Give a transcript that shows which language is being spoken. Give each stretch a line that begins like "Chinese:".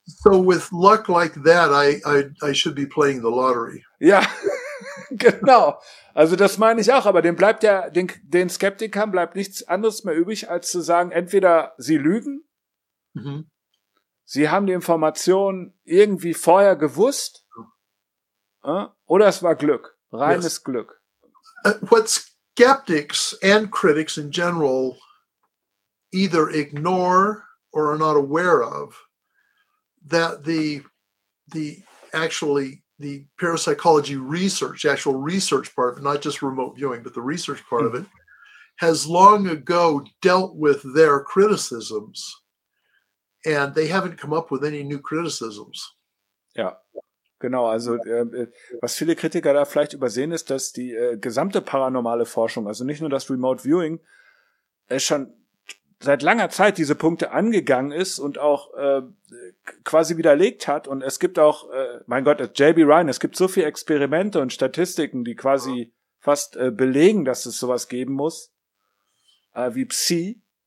English: So with luck like that, I should be playing the lottery.
German: Ja, genau. Also das meine ich auch, aber den Skeptikern bleibt nichts anderes mehr übrig, als zu sagen, entweder sie lügen, sie haben die Information irgendwie vorher gewusst, oder es war Glück, reines Glück.
English: What skeptics and critics in general either ignore or are not aware of, that the parapsychology research, actual research part of it, not just remote viewing, but the research part of it, has long ago dealt with their criticisms, and they haven't come up with any new criticisms.
German: Ja, genau. Also was viele Kritiker da vielleicht übersehen, ist, dass die gesamte paranormale Forschung, also nicht nur das Remote Viewing, schon seit langer Zeit diese Punkte angegangen ist und auch quasi widerlegt hat. Und es gibt auch, mein Gott, J.B. Ryan, es gibt so viele Experimente und Statistiken, die quasi fast belegen, dass es sowas geben muss, wie Psi.